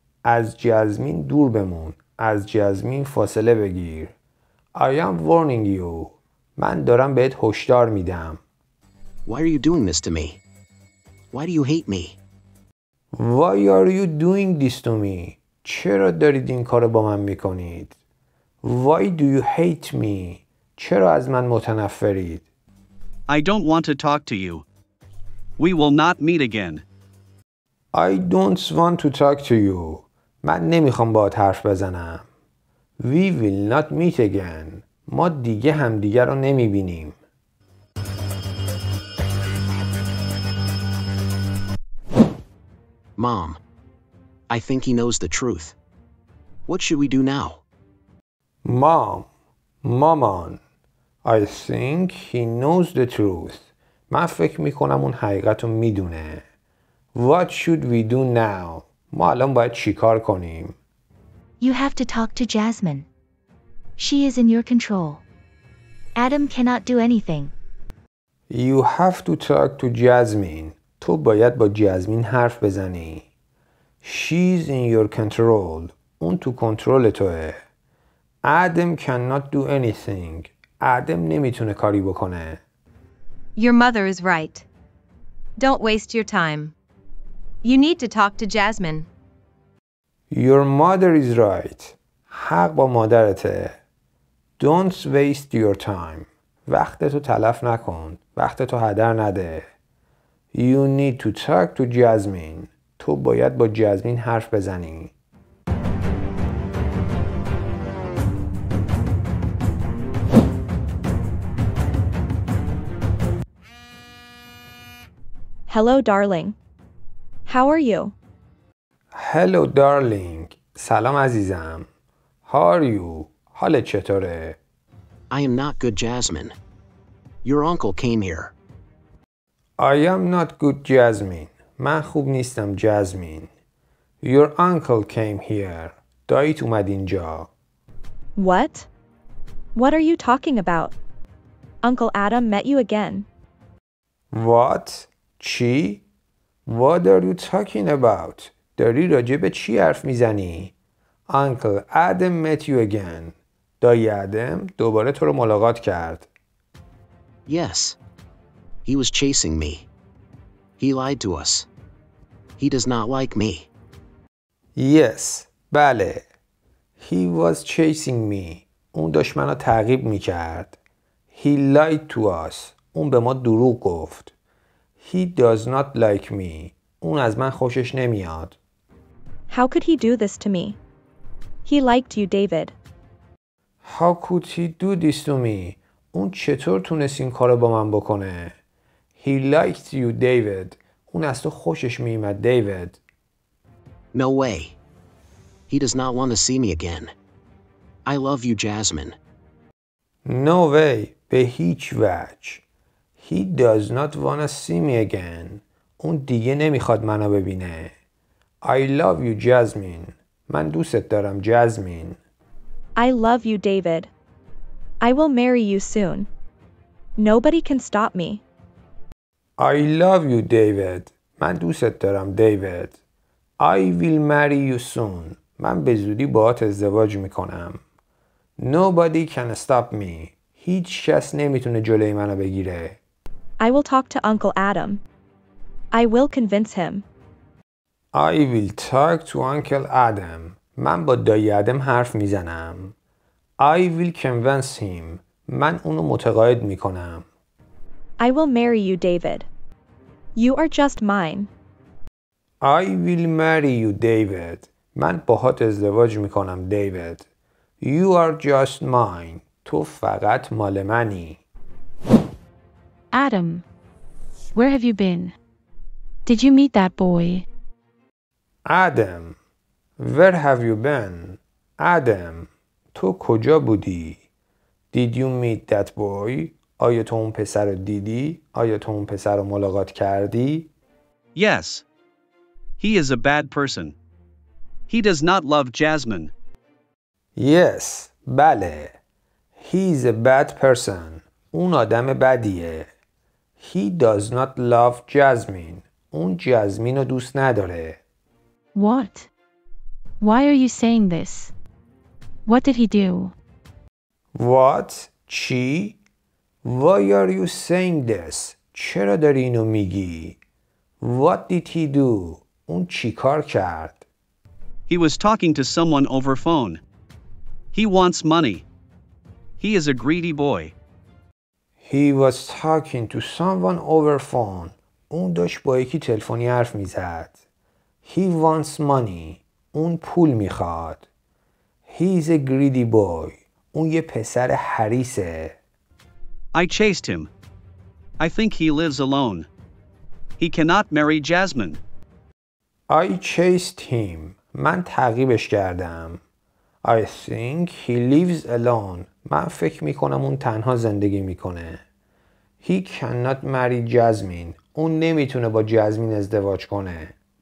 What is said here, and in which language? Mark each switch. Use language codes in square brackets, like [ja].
[fa] از جازمین دور بمون. از جازمین فاصله بگیر. [en] I am warning you. [fa] من دارم بهت هشدار میدم. [en] Why are you doing this to me? Why do you hate me? Why are you doing this to me? [fa] چرا دارید این کارو با من میکنید؟ [en] Why do you hate me? [fa] چرا از من متنفرید؟ [en] I don't want to talk to you. We will not meet again. I don't want to talk to you. [fa] من نمیخوام باهات حرف بزنم. [en] We will not meet again. [fa] ما دیگه همدیگه رو نمیبینیم. [en] Mom, I think he knows the truth. What should we do now? Mom, Mamon, I think he knows the truth. [fa] من فکر میکنم اون حقیقت رو میدونه. [en] What should we do now? [fa] ما الان باید چیکار کنیم؟ [en] You have to talk to Jasmine. She is in your control. Adam cannot do anything. You have to talk to Jasmine. [fa] تو باید با جازمین حرف بزنی. [en] She's in your control. [fa] اون تو کنترل توه. [en] Adam cannot do anything. [fa] Adam نمیتونه کاری بکنه. [en] Your mother is right. Don't waste your time. You need to talk to Jasmine. Your mother is right. [fa] حق با مادرته. [en] Don't waste your time. [fa] وقتتو تلف نکن. وقتتو هدر نده. [en] You need to talk to Jasmine. [fa] تو باید با جازمین حرف بزنی. [en] Hello, darling. How are you? Hello, darling. [fa] سلام عزیزم. [en] How are you? [fa] حالت چطوره؟ [en] I am not good, Jasmine. Your uncle came here. I am not good, Jasmine. [fa] من خوب نیستم، جازمین. [en] Your uncle came here. [fa] دایت اومد اینجا. [en] What? What are you talking about? Uncle Adam met you again. What? [fa] چی؟ [en] What are you talking about? [fa] داری راجع به چی حرف میزنی؟ [en] Uncle Adam met you again. [fa] دایی آدم دوباره تو رو ملاقات کرد. [en] Yes. He was chasing me. He lied to us. He does not like me. Yes. [fa] بله. [en] He was chasing me. [fa] اون داشت منو تعقیب میکرد. [en] He lied to us. [fa] اون به ما دروغ گفت. [en] He does not like me. [fa] اون از من خوشش نمیاد. [en] How could he do this to me? He liked you, David. How could he do this to me? [fa] اون چطور تونست این کارو با من بکنه؟ [en] He liked you, David. [fa] اون از تو خوشش میومد, David. [en] No way. He does not want to see me again. I love you, Jasmine. No way. [fa] به هیچ وجه. [en] He does not want to see me again. [fa] اون دیگه نمیخواد منو ببینه. [en] I love you, Jasmine. [fa] من دوستت دارم, Jasmine. [en] I love you, David. I will marry you soon. Nobody can stop me. I love you, David. [fa] من دوستت دارم, David. [en] I will marry you soon. [fa] من به زودی باهات ازدواج میکنم. [en] Nobody can stop me. [fa] هیچ کس نمیتونه جلوی منو بگیره. [en] I will talk to Uncle Adam. I will convince him. I will talk to Uncle Adam. [fa] من با دایی آدم حرف میزنم. [en] I will convince him. [fa] من اونو متقاعد میکنم. [en] I will marry you, David. You are just mine. I will marry you, David. [fa] من باهات ازدواج میکنم, David. [en] You are just mine. [fa] تو فقط مال منی. [en] Adam, where have you been? Did you meet that boy? Adam, where have you been? Adam, [fa] تو کجا بودی؟ [en] Did you meet that boy? [fa] آیا تو اون پسر رو دیدی؟ آیا تو اون پسر رو ملاقات کردی؟ [en] Yes. He is a bad person. He does not love Jasmine. Yes. [fa] بله. [en] He is a bad person. [fa] اون آدم بدیه. [en] He does not love Jasmine. [fa] اون جازمین رو دوست نداره. [en] What? Why are you saying this? What did he do? What? [fa] چی؟ [en] Why are you saying this? [fa] چرا داری اینو میگی؟ [en] What did he do? [fa] اون چی کار کرد؟ [en] He was talking to someone over phone. He wants money. He is a greedy boy. He was talking to someone over phone. [fa] اون داشت با یکی تلفنی حرف میزد. [en] He wants money. [fa] اون پول میخواد. [en] He's a greedy boy. [fa] اون یه پسر حریصه. [en] I chased him. I think he lives alone. He cannot marry Jasmine. I chased him. [fa] من تعقیبش کردم. [en] I think he lives alone. [fa] من فکر میکنم اون تنها زندگی میکنه. [en] He cannot marry Jasmine. [fa] اون نمیتونه با جزمین ازدواج کنه.